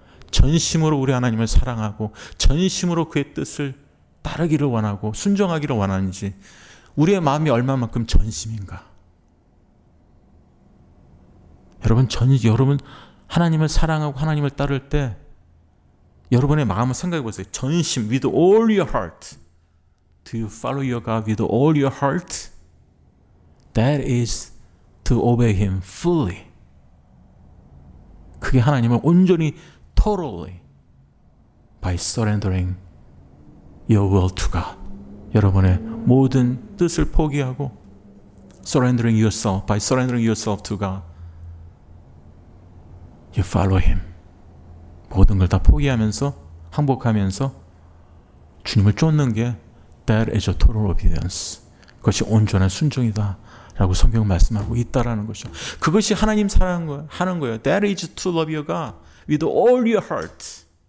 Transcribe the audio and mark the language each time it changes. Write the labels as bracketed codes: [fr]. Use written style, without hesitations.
[ko] 전심으로 우리 하나님을 사랑하고 전심으로 그의 뜻을 따르기를 원하고 순종하기를 원하는지 우리의 마음이 얼마만큼 전심인가 여러분 여러분 하나님을 사랑하고 하나님을 따를 때 여러분의 마음을 생각해 보세요. [en] 전심 with all your heart. Do you follow your God with all your heart? That is to obey Him fully. [ko] 그게 하나님을 온전히 [en] totally by surrendering your will to God. [ko] 여러분의 모든 뜻을 포기하고 [en] surrendering yourself by surrendering yourself to God. You follow Him. [ko] 모든 걸 다 포기하면서 항복하면서 주님을 쫓는 게 [en] That is a total obedience. [ko] 그것이 온전한 순종이다. 라고 성경 말씀하고 있다라는 것이죠. 그것이 하나님 사랑하는 거예요. [en] That is to love your God with all your heart.